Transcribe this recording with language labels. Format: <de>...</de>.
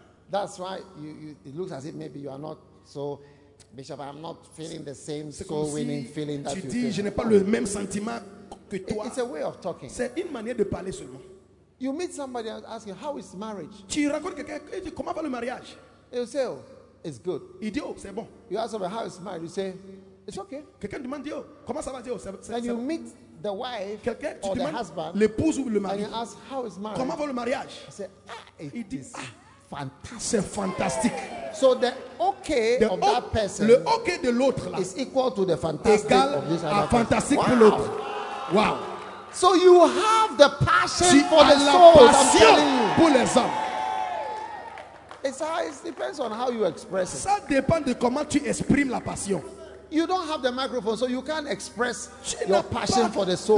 <en>That's why you it looks as if maybe you are not so, Bishop, I'm not feeling the same soul-winning feeling that</en> <fr>tu</fr> <en>you</en> <fr>dis,</fr> <en>can.</en> <fr>Je n'ai pas le même sentiment que toi.</fr> <en>It's a way of talking.</en> <fr>C'est une manière de parler seulement.</fr> <en>You meet somebody and ask him, how is marriage?</en> <fr>Tu racontes quelqu'un, comment va le mariage?</fr> <en>He will say, oh, it's good.</en> <fr>Il dit, oh, c'est bon.</fr> <en>You ask somebody, how is marriage? You say, it's okay.</en> <fr>Quelqu'un demande, oh, comment ça va, dit, oh, c'est</fr> <en>then</en> <fr>c'est</fr> <en>you</en> <fr>bon.</fr> <en>Meet the wife</en> <fr>quelqu'un,</fr> <en>or the husband,</en> <fr>l'épouse ou le mari.</fr> <en>And you ask, how is marriage?</en> <fr>Comment va le mariage?</fr> <en>He say, ah, it</en> <fr>il dit,</fr> <en>is.</en> <fr>Ah. C'est fantastique.</fr> <en>So the okay the of that person,</en> <fr>le okay de l'autre là,</fr> <en>is equal to the fantastic of this other person.</en> <fr>Fantastique wow. Pour l'autre. Wow.</fr> <en>So you have the passion</en> <fr>tu</fr> <en>for the soul.</en> <fr>La passion pour les âmes.</fr> <en>It depends on how you express it.</en> <fr>Ça dépend de comment tu exprimes la passion.</fr> <en>You don't have the microphone, so you can't express your passion for the soul.</en>